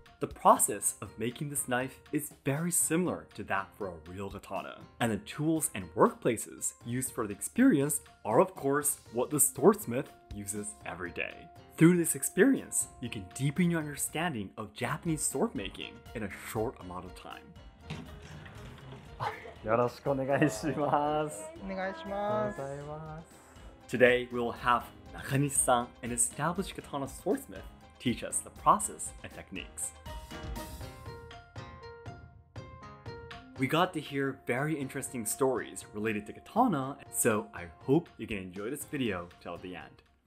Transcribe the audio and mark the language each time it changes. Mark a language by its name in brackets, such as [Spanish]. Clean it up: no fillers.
[English] The process of making this knife is very similar to that for a real katana, and the tools and workplaces used for the experience are of course what the swordsmith uses every day. Through this experience, you can deepen your understanding of Japanese sword making in a short amount of time. [Japanese] よろしくお願いします。お願いします。ありがとうございます。 [English] Today, we will have Nakanishi-san, an established katana swordsmith, teach us the process and techniques. We got to hear very interesting stories related to katana, so I hope you can enjoy this video till the end.